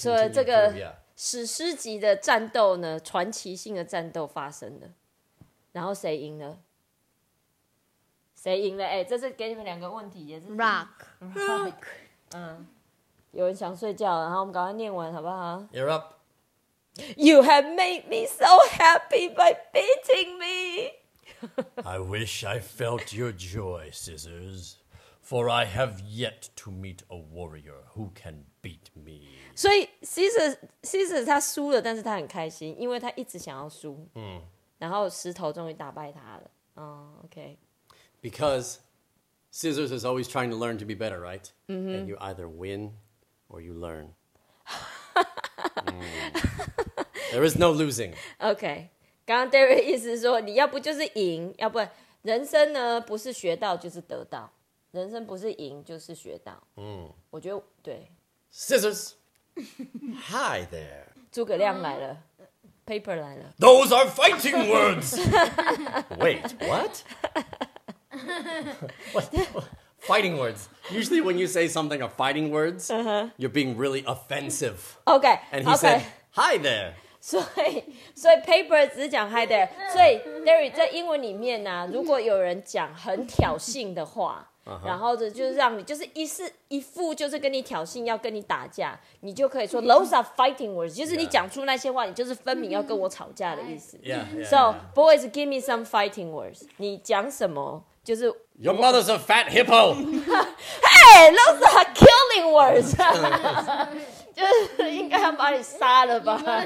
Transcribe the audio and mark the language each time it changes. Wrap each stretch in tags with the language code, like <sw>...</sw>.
<zh>所以这个史诗级的战斗呢，传奇性的战斗发生了。然后谁赢了？谁赢了？哎，这是给你们两个问题，也是</zh> <en>Rock.</en> <zh>嗯，有人想睡觉，然后我们赶快念完好不好</zh> <en>？You're up. You have made me so happy by beating me. I wish I felt your joy, Scissors. For I have yet to meet a warrior who can beat me.</en> <zh>所以 Caesar 他输了，但是他很开心，因为他一直想要输。嗯。然后石头终于打败他了。</zh> <en>Oh, okay. Because Caesar is always trying to learn to be better, right? Mm-hmm. And you either win or you learn. 、There is no losing. Okay.</en> <zh>刚刚 Derek 意思是说，你要不就是赢，要不人生呢，不是学到就是得到。人生不是赢就是学到。嗯，我觉得对。</zh> <en>Scissors, hi there.</en> <zh>诸葛亮来了、，Paper 来了。</zh> <en>Those are fighting words. Wait, what? What? Fighting words. Usually, when you say something are fighting words,、 uh-huh. you're being really offensive. Okay. And he、 okay. said, "Hi there."</en> <zh>所以 Paper 只讲</zh> <en>hi there.</en> <zh>所以 Derry 在英文里面呢、啊，如果有人讲很挑衅的话。</zh> <en>Uh-huh.</en> <zh>然后就是让你就是一副就是跟你挑衅要跟你打架，你就可以说</zh> <en>those are fighting words，</en> <zh>就是你讲出那些话，你就是分明要跟我吵架的意思。</zh> <en>Yeah, yeah, yeah. So boys, give me some fighting words.</en> <zh>你讲什么就是</zh> <en>Your mother's a fat hippo. Hey, those are killing words.</en> <zh>就是应该要把你杀了吧。</zh>